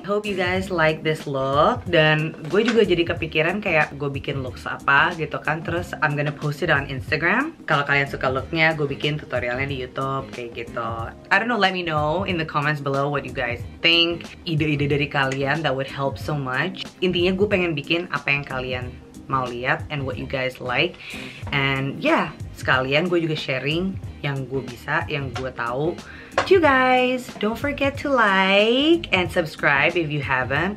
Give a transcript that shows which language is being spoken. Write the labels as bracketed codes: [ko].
[en] Hope you guys like this look. [id] Dan gue juga jadi kepikiran kayak gue bikin looks apa gitu kan. Terus [en] I'm gonna post it on Instagram. [id] Kalau kalian suka looknya, gue bikin tutorialnya di YouTube kayak gitu. [en] I don't know, let me know in the comments below what you guys think. [id] Ide-ide dari kalian [en] that would help so much. [id] Intinya gue pengen bikin apa yang kalian mau lihat [en] and what you guys like. And yeah, [id] sekalian gue juga sharing yang gue bisa, yang gue tahu. [en] To you guys, don't forget to like and subscribe if you haven't.